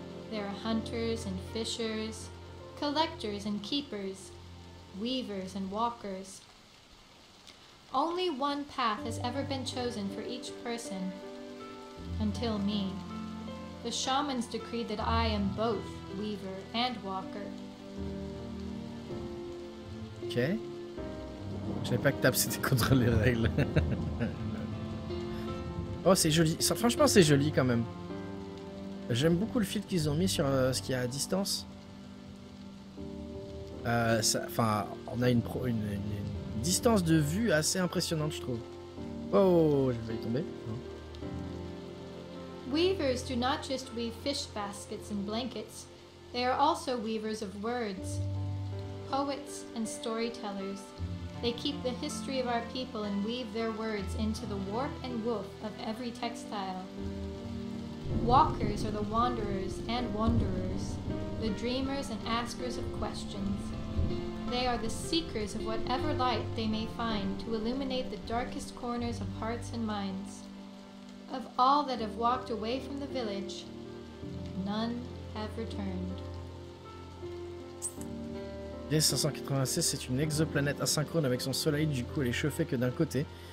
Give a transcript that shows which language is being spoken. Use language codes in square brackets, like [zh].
[en] There are hunters and fishers, collectors and keepers, weavers and walkers. Only one path has ever been chosen for each person, until me. The shamans decreed that I am both weaver and walker. [fr] Ok. Je savais pas que TAP c'était contre les règles. Oh, c'est joli. Ça, franchement, c'est joli quand même. J'aime beaucoup le filtre qu'ils ont mis sur ce qu'il y a à distance. Enfin, on a une distance de vue assez impressionnante, je trouve. Oh, je vais y tomber. [en] Weavers do not just weave fish baskets and blankets, they are also weavers of words. Poets and storytellers, they keep the history of our people and weave their words into the warp and woof of every textile. Walkers are the wanderers and wanderers, the dreamers and askers of questions. They are the seekers of whatever light they may find to illuminate the darkest corners of hearts and minds. Of all that have walked away from the village, none have returned. [fr] D-586 est une exoplanète asynchrone avec son soleil, du coup elle est chauffée que d'un côté.